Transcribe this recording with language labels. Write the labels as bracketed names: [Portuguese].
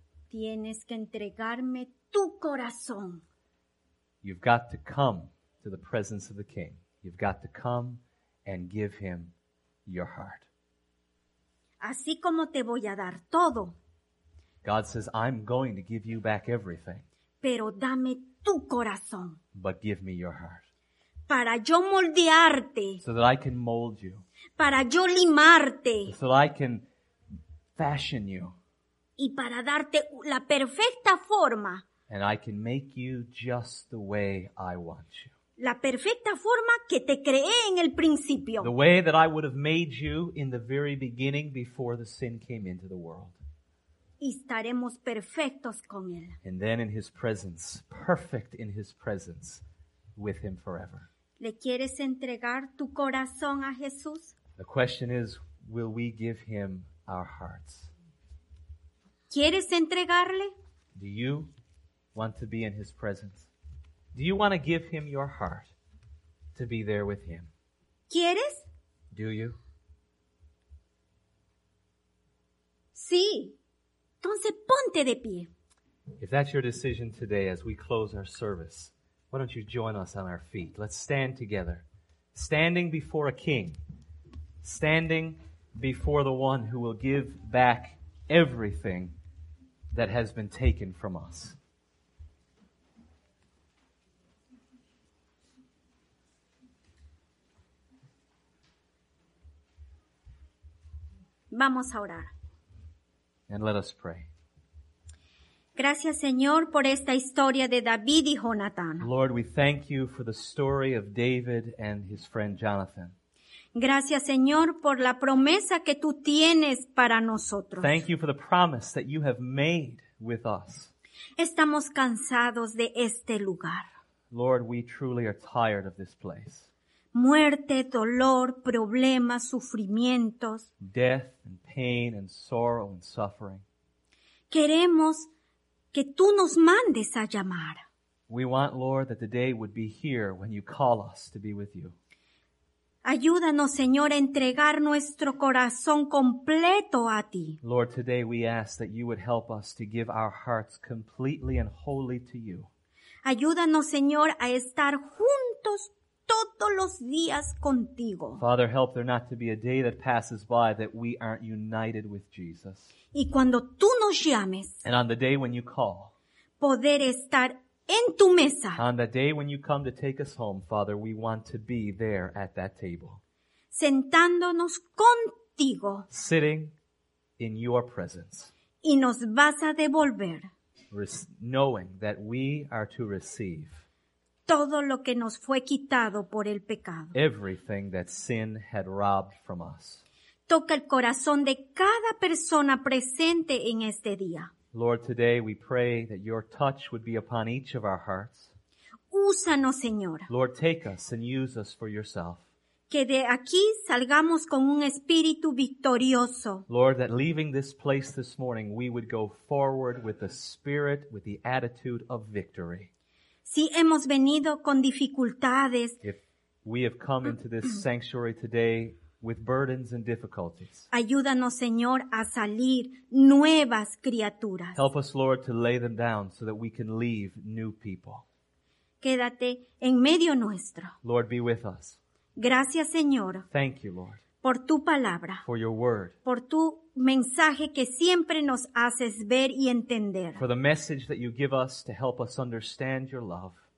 [Spanish] Tienes que entregarme tu corazón. [English] You've got to come to the presence of the king. You've got to come and give him your heart. [Spanish] Así como te voy a dar todo. [English] God says, I'm going to give you back everything. [Spanish] Pero dame tu corazón. [English] But give me your heart. [Spanish] Para yo moldearte. [English] So that I can mold you. [Spanish] Para yo limarte. [English] So I can fashion you. [Spanish] Y para darte la perfecta forma. [English] And I can make you just the way I want you. [Spanish] La perfecta forma que te creé en el principio. [English] The way that I would have made you in the very beginning before the sin came into the world. [Spanish] Y estaremos perfectos con él. [English] And then in his presence, perfect in his presence, with him forever. [Spanish] ¿Le quieres entregar tu corazón a Jesús? [English] The question is, will we give him our hearts? [Spanish] ¿Quieres entregarle? [English] Do you want to be in his presence? Do you want to give him your heart to be there with him? [Spanish] ¿Quieres? [English] Do you? [Spanish] Sí. Entonces, ponte de pie. [English] If that's your decision today as we close our service, why don't you join us on our feet? Let's stand together. Standing before a king. Standing before the one who will give back everything that has been taken from us. [Spanish] Vamos a orar. [English] And let us pray. [Spanish] Gracias, Señor, por esta historia de David y Jonathan. [English] Lord, we thank you for the story of David and his friend Jonathan. [Spanish] Gracias, Señor, por la promesa que tú tienes para nosotros. [English] Thank you for the promise that you have made with us. [Spanish] Estamos cansados de este lugar. [English] Lord, we truly are tired of this place. [Spanish] Muerte, dolor, problemas, sufrimientos. [English] Death and pain and sorrow and suffering. [Spanish] Queremos que tú nos mandes a llamar. [English] We want, Lord, that the day would be here when you call us to be with you. [Spanish] Ayúdanos, Señor, a entregar nuestro corazón completo a ti. [English] Lord, today we ask that you would help us to give our hearts completely and wholly to you. [Spanish] Ayúdanos, Señor, a estar juntos todos los días contigo. [English] Father, help there not to be a day that passes by that we aren't united with Jesus. [Spanish] Y cuando tú nos llames, [English] and on the day when you call, [Spanish] poder estar en tu mesa. [English] On the day when you come to take us home, Father, we want to be there at that table. [Spanish] Sentándonos contigo. [English] Sitting in your presence. [Spanish] Y nos vas a devolver. [English] Knowing that we are to receive [Spanish] todo lo que nos fue quitado por el pecado. [English] Everything that sin had robbed from us. [Spanish] Toca el corazón de cada persona presente en este día. [English] Lord, today we pray that your touch would be upon each of our hearts. [Spanish] Úsanos, Señor. [English] Lord, take us and use us for yourself. [Spanish] Que de aquí salgamos con un espíritu victorioso. [English] Lord, that leaving this place this morning, we would go forward with the spirit, with the attitude of victory. [Spanish] Si hemos venido con dificultades. [English] If we have come into this sanctuary today with burdens and difficulties. [Spanish] Ayúdanos, Señor, a salir nuevas criaturas. [English] Help us, Lord, to lay them down so that we can leave new people. [Spanish] Quédate en medio nuestro. [English] Lord, be with us. [Spanish] Gracias, Señor. [English] Thank you, Lord. [Spanish] Por tu palabra. [English] For your word. [Spanish] Por tu mensaje que siempre nos haces ver y entender. [English] For the message that you give us to help us understand your love.